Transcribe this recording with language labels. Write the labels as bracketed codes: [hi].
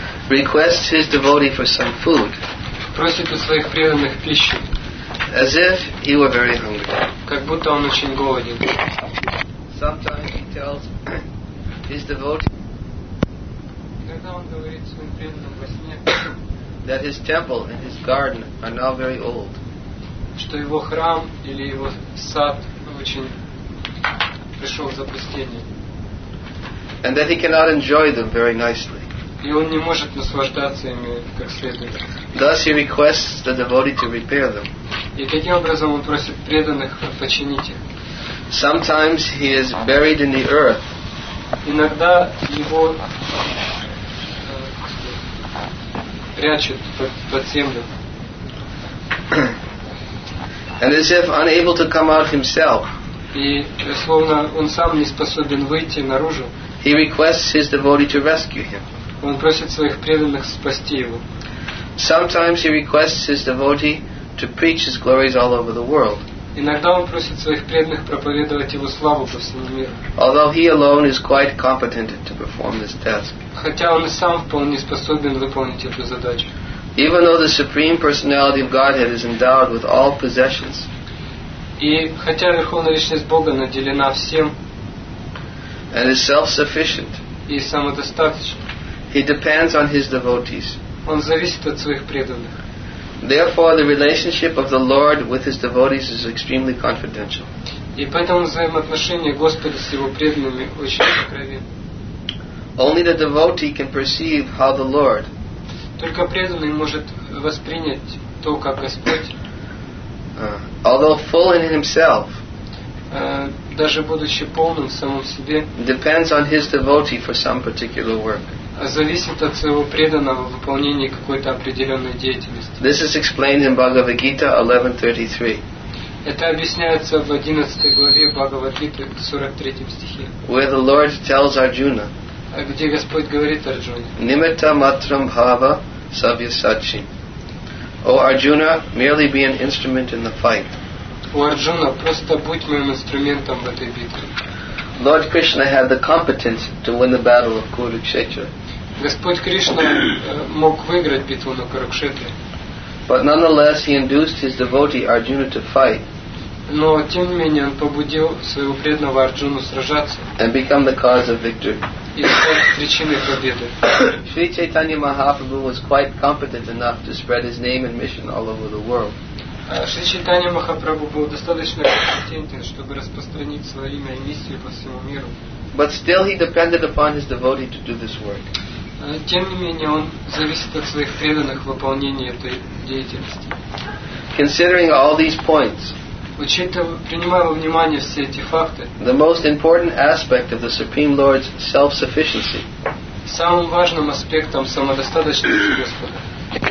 [en] Requests his devotee for some food. [ru] Просит у своих преданных пищи. [en] As if he were very hungry. [ru] Как будто он очень голоден. [en] Sometimes he tells his devotee. [ru] Иногда он говорит своим преданным во сне. [en] That his temple and his garden are now very old. [ru] Что его храм или его сад очень пришел в запустение. [en] And that he cannot enjoy them very nicely. [ru] И он не может наслаждаться ими как следует. [en] Thus he requests the devotee to repair them. [ru] И таким образом он просит преданных починить их. [en] Sometimes he is buried in the earth. [ru] Иногда его прячут под землю. [en] And as if unable to come out himself. [ru] И словно он сам не способен выйти наружу. [en] He requests his devotee to rescue him. [ru] Он просит своих преданных спасти его. [en] Sometimes he requests his devotee to preach his glories all over the world. [ru] Иногда он просит своих преданных проповедовать его славу по всему миру. [en] Although he alone is quite competent to perform this task. [ru] Хотя он и сам вполне способен выполнить эту задачу. [en] Even though the Supreme Personality of Godhead is endowed with all possessions. [ru] И хотя Верховная Личность Бога наделена всем. [en] And is self-sufficient. [ru] И самодостаточен. [en] He depends on his devotees. [ru] Он зависит от своих преданных. [en] Therefore, the relationship of the Lord with his devotees is extremely confidential. [ru] И поэтому взаимоотношения Господа с его преданными очень сокровенны. [en] Only the devotee can perceive how the Lord. [ru] Только преданный может воспринять то, как Господь. [en] Although full in himself. [ru] Даже будучи полным в самом себе. [en] Depends on his devotee for some particular work. [ru] Зависит от своего преданного в выполнении какой-то определенной деятельности. [en] This is explained in Bhagavad Gita 11:33. [ru] Это объясняется в 11 главе Бхагавад-гиты, 43 стихе. [en] Where the Lord tells Arjuna. [ru] Где Господь говорит Арджуне. [sa] Nimitta matram bhava savyasachi. [en] O Arjuna, merely be an instrument in the fight. [ru] У Арджуна, просто будь моим инструментом в этой битве. [en] Lord Krishna had the competence to win the battle of Kurukshetra. [ru] Господь Кришна мог выиграть битву на Курукшетре. [en] But nonetheless, he induced his devotee Arjuna to fight. [ru] Но тем не менее он побудил своего преданного Арджуну сражаться. [en] And become the cause of victory. [ru] И стал причиной победы. [en] Шри Чайтанья Махапрабху was quite competent enough to spread his name and mission all over the world. [ru] Шри Чайтанья Махапрабху был достаточно компетентен, чтобы распространить свое имя и миссию по всему миру. [en] But still he depended upon his devotee to do this work. [ru] Тем не менее, он зависит от своих преданных в выполнении этой деятельности. [en] Considering all these points, [ru] принимая во внимание все эти факты, [en] the most important aspect of the Supreme Lord's self-sufficiency, [ru] самым важным аспектом самодостаточности Господа,